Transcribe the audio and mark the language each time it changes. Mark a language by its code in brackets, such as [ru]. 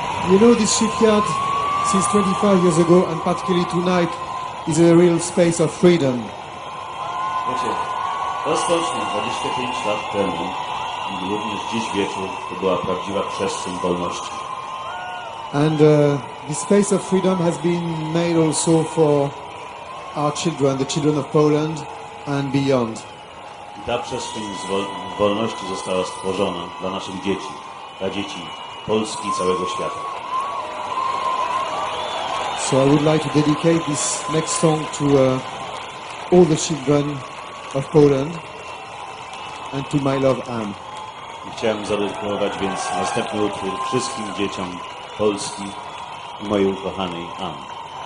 [en] You know, this shipyard, since 25 years ago, and particularly tonight, is a real space of freedom. [pl] Wiecie, ostatnio, 25 lat temu, i również dziś wieczór, to była prawdziwa przestrzeń wolności. [en] And this space of freedom has been made also for our children, the children of Poland, and beyond. [pl] Ta przestrzeń wolności została stworzona dla naszych dzieci, dla dzieci Polski i całego świata. [en] So I would like to dedicate this next song to all the children of Poland and to my love Anne. [pl] Chciałem zadedykować więc następny utwór wszystkim dzieciom Polski i mojej ukochanej Anne.